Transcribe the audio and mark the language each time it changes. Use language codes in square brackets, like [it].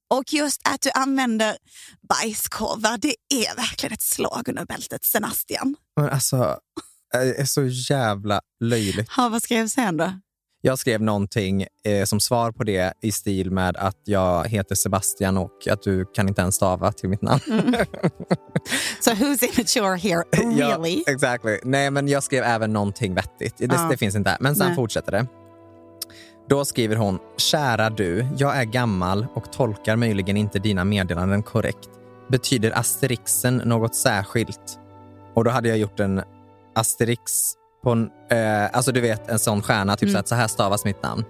[sv] Och just att du använder bajskorvar, det är verkligen ett slag under bältet, Sebastian. Men alltså, det är så jävla löjligt. Ja, vad skrev sen då? Jag skrev någonting som svar på det i stil med att jag heter Sebastian och att du kan inte ens stava till mitt namn. [en] So who's immature here, really? [sv] Ja, exactly. Nej, men jag skrev även någonting vettigt. Det finns inte där. Men sen fortsätter det. Då skriver hon, kära du, jag är gammal och tolkar möjligen inte dina meddelanden korrekt. Betyder asterixen något särskilt? Och då hade jag gjort en asterix på en, alltså du vet, en sån stjärna, typ så här stavas mitt namn.